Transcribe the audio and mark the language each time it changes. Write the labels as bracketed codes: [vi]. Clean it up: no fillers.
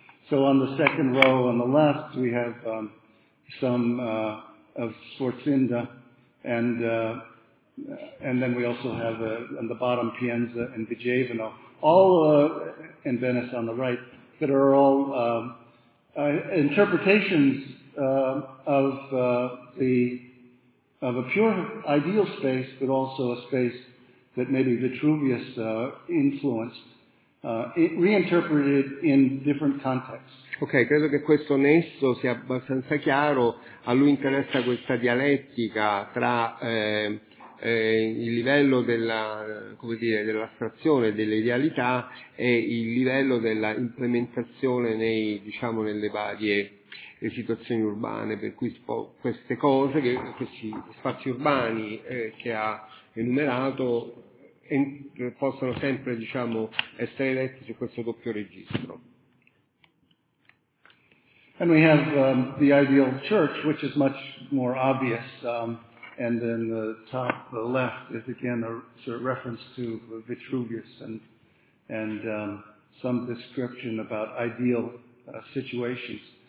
[en] So on the second row on the left, we have some of Sforzinda, and then we also have on the bottom Pienza and Vigevano, all in Venice on the right, that are all interpretations of a pure ideal space, but also a space that maybe Vitruvius influenced, reinterpreted in different contexts. [it] Ok, credo che questo nesso sia abbastanza chiaro. A lui interessa questa dialettica tra il livello dell'astrazione, dell'idealità e il livello della implementazione nelle varie le situazioni urbane, per cui queste cose, questi spazi urbani che ha enumerato possono sempre essere letti su questo doppio registro. [en] And we have the ideal church, which is much more obvious, and then the top left is again a sort of reference to Vitruvius and some description about ideal situations.